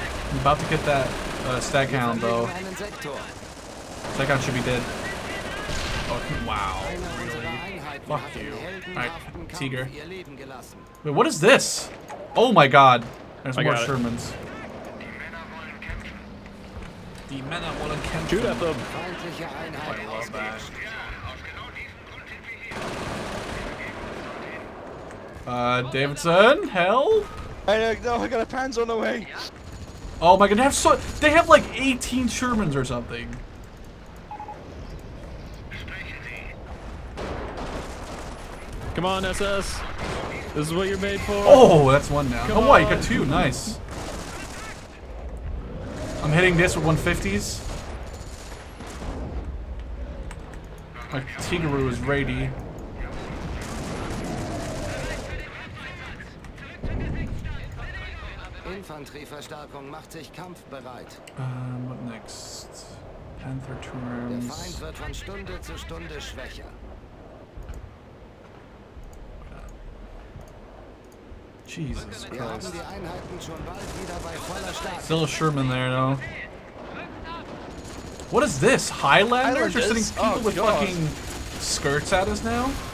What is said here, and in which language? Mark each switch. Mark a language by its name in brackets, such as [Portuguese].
[English] I'm about to get that Staghound though. Staghound should be dead. Oh, wow. Really? Fuck you. Alright, Tiger. Wait, what is this? Oh my god. There's more Shermans. [German] Die Männer wollen kämpfen. [English] Shoot at them. [German] Feindliche Einheit ausgelöscht. [English] Davidson, hell? I know, I got a Panzer on the way. Oh my god, they have so. They have like 18 Shermans or something. Come on, SS. This is what you're made for. Oh, that's one now. Come on. Wow, you got two. Nice. I'm hitting this with 150s. My Tigaru is ready. [German] Infanterieverstärkung macht sich kampfbereit. [English] What next? Panther Turms. [German] Der Feind wird von Stunde zu Stunde schwächer. [English] Jesus Christ. [German] Wir haben die Einheiten schon bald wieder bei voller Stärke. [English] Still a Sherman there, though. What is this? Highlanders? They're sending people with fucking skirts at us now?